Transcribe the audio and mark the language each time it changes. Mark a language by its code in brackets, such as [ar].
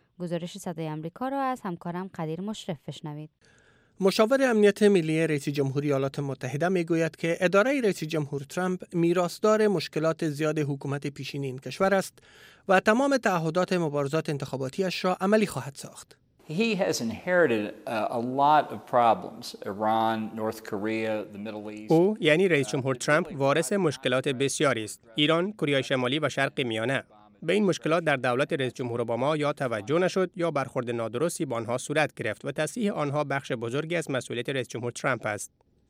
[fa] گزارش صدای آمریکا را از همکارم قدیر مشرف بشنوید. مشاور امنیت ملی رئیس جمهوری ایالات متحده میگوید که اداره رئیس جمهور ترامپ میراثدار مشکلات زیاد حکومت پیشین این کشور است و تمام تعهدات مبارزات انتخاباتی اش را عملی خواهد ساخت. [en] He has inherited a lot of problems. Iran, North Korea, the Middle East. [fa] او یعنی رئیس جمهور ترامپ وارث مشکلات بسیاری است. ایران، کره شمالی و شرق میانه. به این مشکلات در دولت رئیس جمهور اوباما یا توجه نشد یا برخورد نادرستی با آنها صورت گرفت و تصحیح آنها بخش بزرگی از مسئولیت رئیس جمهور ترامپ است.